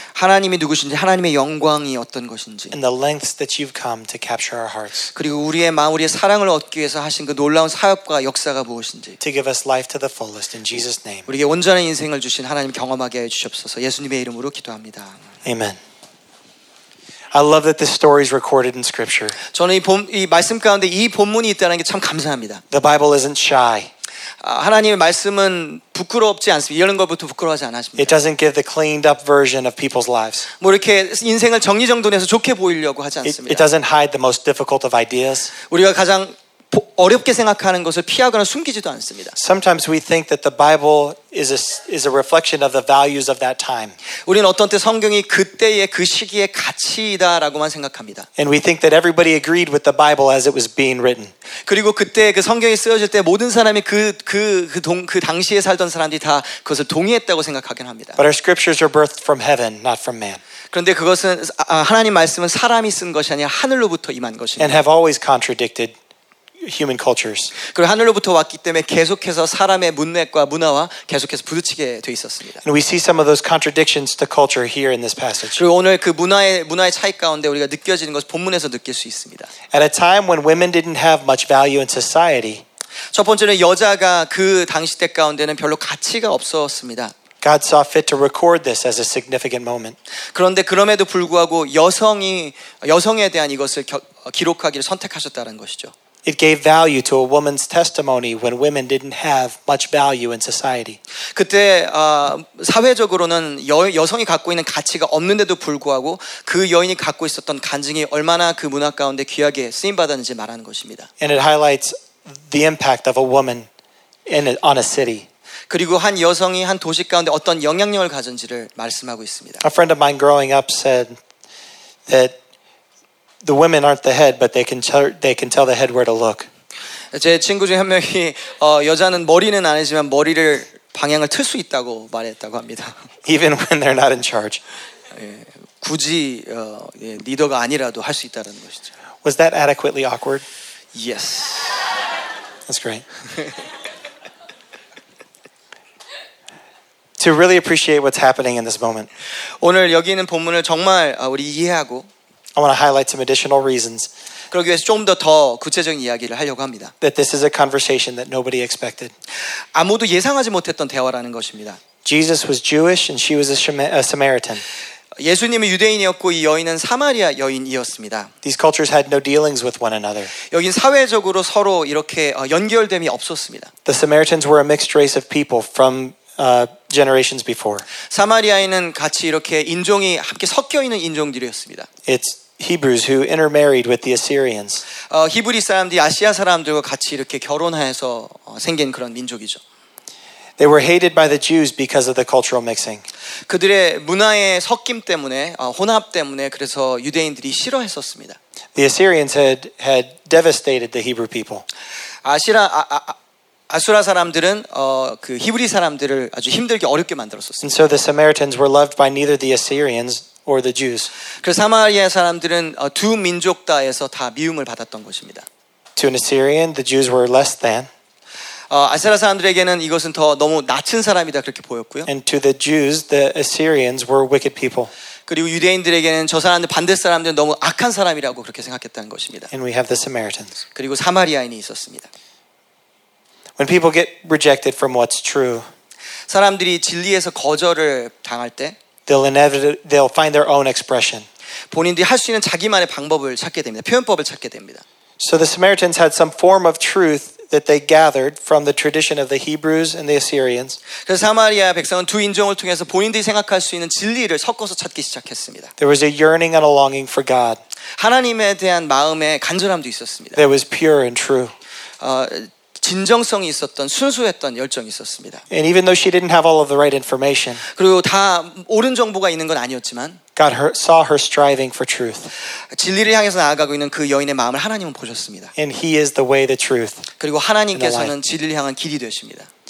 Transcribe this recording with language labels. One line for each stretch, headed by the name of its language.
Korean: 하나님이 누구신지 하나님의 영광이 어떤 것인지.
English: And the lengths that you've come to capture our hearts.
Korean: 그리고 우리의 마음 우리의 사랑을 얻기 위해서 하신 그 놀라운 사역과 역사가 무엇인지.
English: To give us life to the fullest in Jesus' name.
Korean: 우리에게 온전한 인생을 주신 하나님 경험하게 해 주시옵소서. 예수님의 이름으로 기도합니다.
English: Amen. I love that this story is recorded in Scripture.
Korean: 저는 이 말씀 가운데 이 본문이 있다는 게 참 감사합니다.
English: The Bible isn't shy.
Korean: 하나님의 말씀은 부끄럽지 않습니다. 이런 것부터 부끄러워하지 않으십니다.
English: It doesn't give the cleaned up version of people's lives.
Korean: 뭐 이렇게 인생을 정리정돈해서 좋게 보이려고 하지 않습니다.
English: It doesn't hide the most difficult of ideas.
Korean: 우리가 가장 어렵게 생각하는 것을 피하거나 숨기지도 않습니다.
English: Sometimes we think that the Bible is a reflection of the values of that time.
Korean: 우리는 어떤 때 성경이 그때의 그 시기의 가치이다라고만 생각합니다.
English: And we think that everybody agreed with the Bible as it was being written.
Korean: 그리고 그때 그 성경이 쓰여질 때 모든 사람이 그 당시에 살던 사람들이 다 그것을 동의했다고 생각하긴 합니다.
English: But our scriptures are birthed from heaven, not from man.
Korean: 그런데 그것은 하나님 말씀은 사람이 쓴 것이 아니라 하늘로부터 임한 것입니다.
English: And have always contradicted human cultures.
Korean: 그리고 하늘로부터 왔기 때문에 계속해서 사람의 문맥과 문화와 계속해서 부딪히게 돼 있었습니다.
English: And we see some of those contradictions to culture here in this passage.
Korean: 그리고 오늘 그 문화의 차이 가운데 우리가 느껴지는 것을 본문에서 느낄 수 있습니다.
English: At a time when women didn't have much value in society.
Korean: 첫 번째는 여자가 그 당시 때 가운데는 별로 가치가 없었습니다.
English: God saw fit to record this as a significant moment.
Korean: 그런데 그럼에도 불구하고 여성에 대한 이것을 기록하기를 선택하셨다는 것이죠.
English: It gave value to a woman's testimony when women didn't have much value in society.
Korean: 그때 사회적으로는 여성이 갖고 있는 가치가 없는데도 불구하고 그 여인이 갖고 있었던 간증이 얼마나 그 문화 가운데 귀하게 쓰임 받았는지 말하는 것입니다.
English: And it highlights the impact of a woman on a city.
Korean: 그리고 한 여성이 한 도시 가운데 어떤 영향력을 가진지를 말씀하고 있습니다.
English: A friend of mine growing up said that the women aren't the head, but they can tell the head where to look.
Korean: 제 친구 중 한 명이 여자는 머리는 아니지만 머리를 방향을 틀 수 있다고 말했다고 합니다.
English: Even when they're not in charge.
Korean: 굳이 리더가 아니라도 할 수 있다는 것이죠.
English: Was that adequately awkward? Yes. That's great. To really appreciate what's happening in this moment.
Korean: 오늘 여기 있는 본문을 정말 우리 이해하고
English: I want to highlight some additional reasons.
Korean: 그러기 위해서 좀 더 구체적인 이야기를 하려고 합니다.
English: That this is a conversation that nobody expected.
Korean: 아무도 예상하지 못했던 대화라는 것입니다.
English: Jesus was Jewish and she was a Samaritan.
Korean: 예수님은 유대인이었고 이 여인은 사마리아 여인이었습니다.
English: These cultures had no dealings with one another.
Korean: 여긴 사회적으로 서로 이렇게 연결됨이 없었습니다.
English: The Samaritans were a mixed race of people from generations before.
Korean: 사마리아인은 같이 이렇게 인종이 함께 섞여 있는 인종들이었습니다.
English: It's Hebrews who intermarried with the Assyrians.
Korean: 히브리 사람들이 아시아 사람들과 같이 이렇게 결혼해서 생긴 그런 민족이죠.
English: They were hated by the Jews because of the cultural mixing.
Korean: 그들의 문화의 섞임 때문에 혼합 때문에 그래서 유대인들이 싫어했었습니다.
English: The Assyrians had devastated the Hebrew people.
Korean: 아수라 사람들은 그 히브리 사람들을 아주 힘들게 어렵게 만들었었습니다.
English: And so the Samaritans were loved by neither the Assyrians or the Jews.
Korean: 그 사마리아 사람들은 두 민족 다에서 다 미움을 받았던 것입니다.
English: To an Assyrian, the Jews were less than.
Korean: 아수라 사람들에게는 이것은 더 너무 낮은 사람이다 그렇게 보였고요.
English: And to the Jews, the Assyrians were wicked people.
Korean: 그리고 유대인들에게는 저 사람들 반대 사람들은 너무 악한 사람이라고 그렇게 생각했다는 것입니다.
English: And we have the Samaritans.
Korean: 그리고 사마리아인이 있었습니다.
English: When people get rejected from what's true,
Korean: 사람들이 진리에서 거절을 당할 때,
English: they'll find their own expression.
Korean: 본인들이 할 수 있는 자기만의 방법을 찾게 됩니다. 표현법을 찾게 됩니다.
English: So the Samaritans had some form of truth that they gathered from the tradition of the Hebrews and the Assyrians.
Korean: 그래서 사마리아 백성은 두 인종을 통해서 본인들이 생각할 수 있는 진리를 섞어서 찾기 시작했습니다.
English: There was a yearning and a longing for God.
Korean: 하나님에 대한 마음의 간절함도 있었습니다.
English: That was pure and true.
Korean: 진정성이 있었던 순수했던 열정이 있었습니다.
English: And even though she didn't have all of the right information,
Korean: 그리고 다 옳은 정보가 있는 건 아니었지만,
English: God saw her striving for truth.
Korean: 진리를 향해서 나아가고 있는 그 여인의 마음을 하나님은 보셨습니다.
English: And He is the way, the truth.
Korean: 그리고 하나님께서는 진리를 향한 길이 되십니다.